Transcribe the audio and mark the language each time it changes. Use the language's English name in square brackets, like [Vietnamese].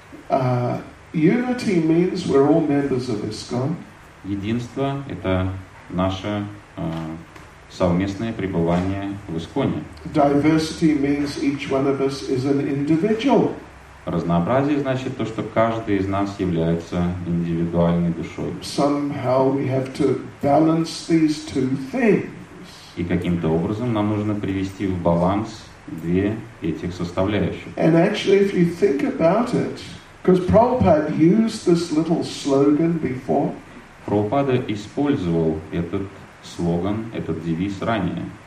[English] Unity means we're all members of ISKCON. [Russian] Единство — это наше совместное пребывание в ИСКОНе. [English] Diversity means each one of us is an individual. [Russian] Разнообразие значит то, что каждый из нас является индивидуальной душой. [English] Somehow we have to balance these two things. [Russian] И каким-то образом нам нужно привести в баланс две этих составляющих. [English] And actually, if you think about it, because Prabhupada used this little slogan before. [Russian] Прабхупада использовал этот слоган, этот девиз ранее.